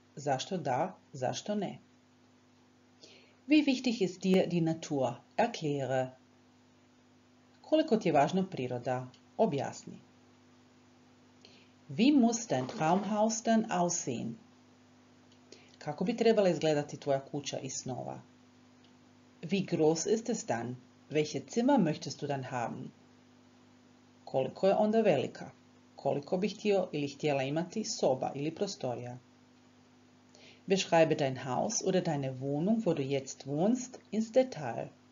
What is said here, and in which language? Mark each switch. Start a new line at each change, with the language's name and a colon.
Croatian: Zašto da, zašto ne?
German: Wie wichtig ist dir die Natur? Erkläre.
Croatian: Koliko ti je važno priroda? Objasni.
German: Wie muss dein Traumhaus denn aussehen?
Croatian: Kako bi trebala izgledati tvoja kuća i snova?
German: Wie groß ist es dann? Welche Zimmer möchtest du dann haben?
Croatian: Koliko je onda velika? Koliko bi htio ili htjela imati soba ili prostorija?
German: Beschreibe dein Haus oder deine Wohnung, wo du jetzt wohnst, ins Detail.